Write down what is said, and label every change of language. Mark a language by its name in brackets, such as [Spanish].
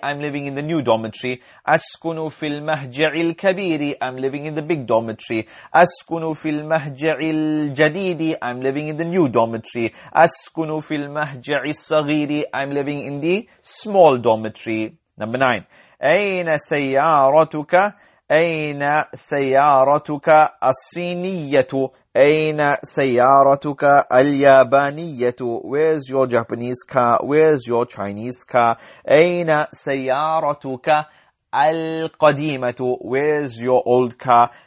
[English] I'm living in the new dormitory. [Arabic] أسكن في المهجع الكبير. [English] I'm living in the big dormitory. [Arabic] أسكن في المهجع الجديد. [English] I'm living in the new dormitory. [Arabic] أسكن في المهجع الصغير. [English] I'm living in the small dormitory. Number 9. [Arabic] أين سيارتك؟ أين سيارتك الصينية؟ أين سيارتك اليابانية؟ [English] Where's your Japanese car? Where's your Chinese car? [Arabic] أين سيارتك القديمة؟ [English] Where's your old car?